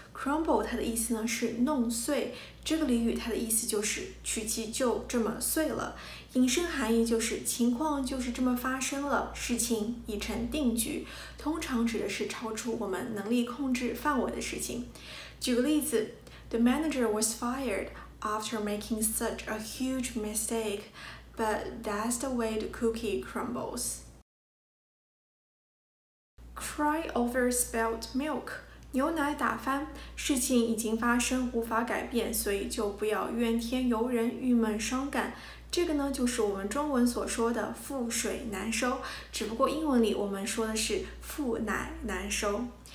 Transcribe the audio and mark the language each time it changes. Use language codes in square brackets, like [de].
[zh] Crumble 它的意思呢是弄碎，这个俚语它的意思就是曲奇就这么碎了，引申含义就是情况就是这么发生了，事情已成定局，通常指的是超出我们能力控制范围的事情。举个例子， [en] The manager was fired after making such a huge mistake, but that's the way the cookie crumbles. Cry over spilled milk. [zh] 牛奶打翻，事情已经发生，无法改变，所以就不要怨天尤人，郁闷伤感。这个呢，就是我们中文所说的覆水难收，只不过英文里我们说的是覆奶难收。